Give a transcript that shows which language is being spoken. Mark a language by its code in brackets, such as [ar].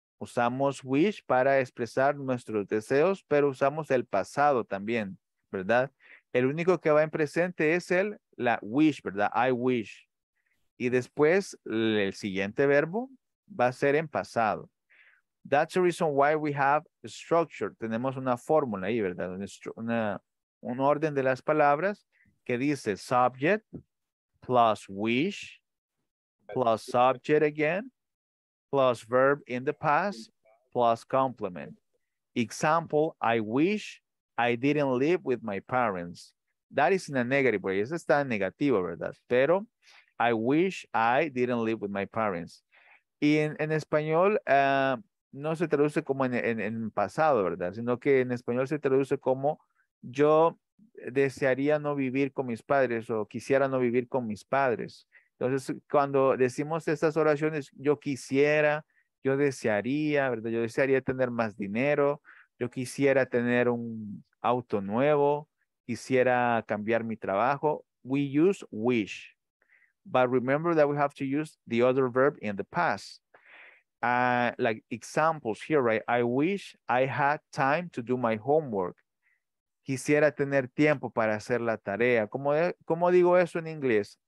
[es] Usamos wish para expresar nuestros deseos, pero usamos el pasado también, ¿verdad? El único que va en presente es la wish, ¿verdad? [en] I wish. [es] Y después el siguiente verbo va a ser en pasado. [en] That's the reason why we have a structure. [es] Tenemos una fórmula ahí, ¿verdad? Un orden de las palabras que dice [en] subject plus wish plus subject again plus verb in the past plus complement. Example, I wish I didn't live with my parents. That is in a negative way. [es] Eso está en negativo, ¿verdad? Pero [en] I wish I didn't live with my parents. [es] Y en español, no se traduce como en pasado, ¿verdad? Sino que en español se traduce como yo desearía no vivir con mis padres o quisiera no vivir con mis padres. Entonces, cuando decimos estas oraciones, yo quisiera, yo desearía, ¿verdad? Yo desearía tener más dinero, yo quisiera tener un auto nuevo, quisiera cambiar mi trabajo. [en] We use wish. But remember that we have to use the other verb in the past. Like examples here, right? I wish I had time to do my homework. [es] Quisiera tener tiempo para hacer la tarea. ¿Cómo digo eso en inglés?